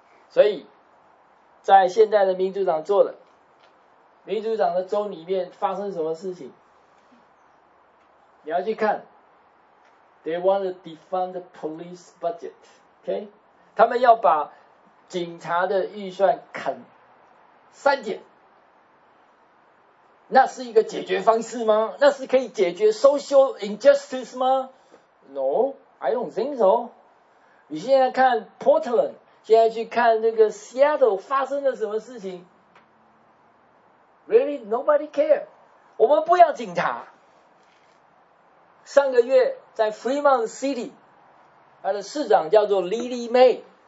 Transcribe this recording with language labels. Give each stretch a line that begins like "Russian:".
Chinese: 所以，在现在的民主党做的，民主党的州里面发生什么事情，你要去看 ，
English: they want to defund the police budget， OK？
Chinese: 他们要把警察的预算砍三点，那是一个解决方式吗？那是可以解决 social injustice 吗 ？
English: No， I don't think so。
Chinese: 你现在看 Portland， 现在去看那个 Seattle 发生了什么事情 ？
English: Really nobody care。
Chinese: 我们不要警察。上个月在 Fremont City， 他的市长叫做 Lily May。